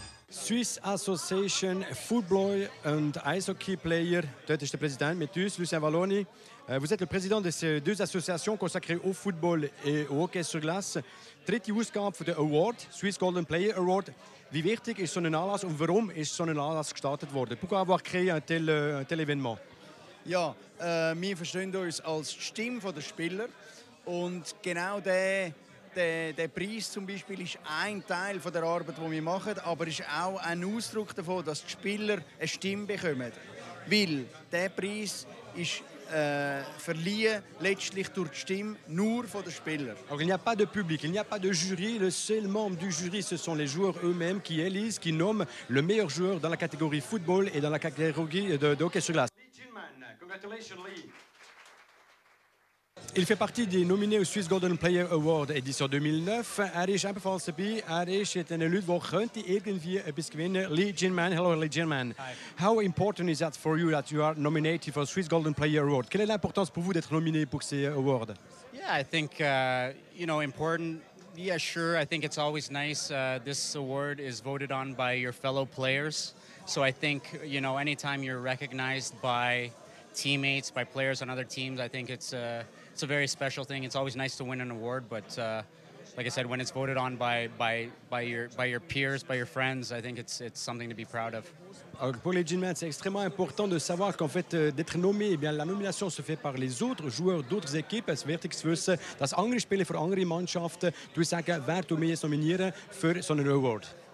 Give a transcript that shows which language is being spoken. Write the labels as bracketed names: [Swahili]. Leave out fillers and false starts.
[English] Swiss Association Football and Ice Hockey Player. [French] Peut-être j'étais président, Métus, Lucien Valloni. Vous êtes le président de ces deux associations consacrées au football et au hockey sur glace. [German] Dritte Ausgabe der Award, Swiss Golden Player Award. Wie wichtig ist so ein Anlass und warum ist so ein Anlass gestartet worden? [French] Pourquoi avoir créé un tel événement? [German] Ja, wir verstehen uns als Stimme der Spieler und genau der Preis zum Beispiel ist ein Teil von der Arbeit, die wir machen, aber ist auch ein Ausdruck davon, dass die Spieler eine Stimme bekommen. Weil der Preis ist verliehen letztlich durch die Stimme nur von den Spielern. [French] Alors, il n'y a pas de public, il n'y a pas de jury. Le seul membre du jury, ce sont les joueurs eux-mêmes qui élisent, qui nomment le meilleur joueur dans la catégorie football et dans la catégorie de hockey sur glace. Il fait partie des nominés au Swiss Golden Player Award édition 2009. [German] Er ist einfach von dabei. Er ist jetzt eine Leute, wo könnte irgendwie etwas gewinnen. [English] Lee Jinman, hello Lee Jinman. How important is that for you that you are nominated for Swiss Golden Player Award? [French] Quelle est l'importance pour vous d'être nominé pour ces awards? [English] Yeah, I think important. Yeah, sure. I think it's always nice. This award is voted on by your fellow players. So I think anytime you're recognized by teammates, by players on other teams, I think it's a very special thing. It's always nice to win an award, but like I said, when it's voted on by your peers, by your friends, I think it's something to be proud of. [French] Pour les Jinmen, c'est extrêmement important de savoir qu'en fait d'être nommé, eh bien la nomination se fait par les autres joueurs d'autres équipes. [German] Es ist wichtig zu wissen, dass andere Spieler für andere Mannschaften durchsagen, wer du meist nominieren für so einen Award.